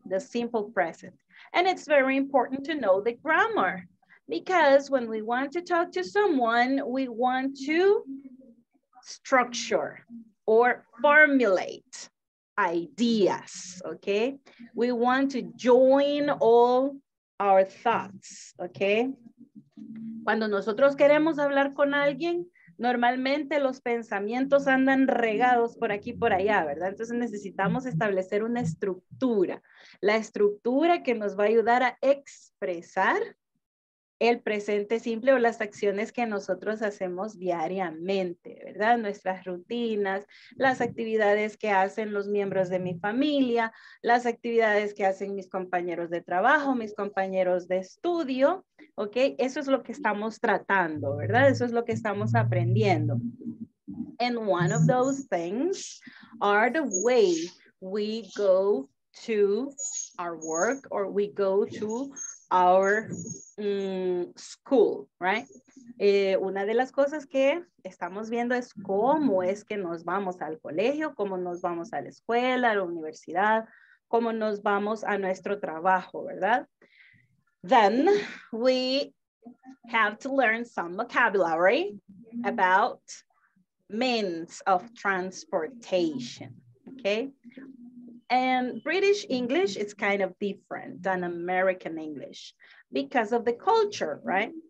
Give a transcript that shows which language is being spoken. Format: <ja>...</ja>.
<en>The simple present. And it's very important to know the grammar, because when we want to talk to someone, we want to structure or formulate ideas, okay? We want to join all our thoughts, okay?</en> <es>Cuando nosotros queremos hablar con alguien, normalmente los pensamientos andan regados por aquí y por allá, ¿verdad? Entonces necesitamos establecer una estructura, la estructura que nos va a ayudar a expresar el presente simple o las acciones que nosotros hacemos diariamente, ¿verdad? Nuestras rutinas, las actividades que hacen los miembros de mi familia, las actividades que hacen mis compañeros de trabajo, mis compañeros de estudio, ¿ok? Eso es lo que estamos tratando, ¿verdad? Eso es lo que estamos aprendiendo.</es> <en>And one of those things are the way we go to our work or we go to our school, right?</en> <es>Una de las cosas que estamos viendo es cómo es que nos vamos al colegio, cómo nos vamos a la escuela, a la universidad, cómo nos vamos a nuestro trabajo, ¿verdad?</es> <en>Then we have to learn some vocabulary about means of transportation, okay? And British English is kind of different than American English because of the culture, right?</en>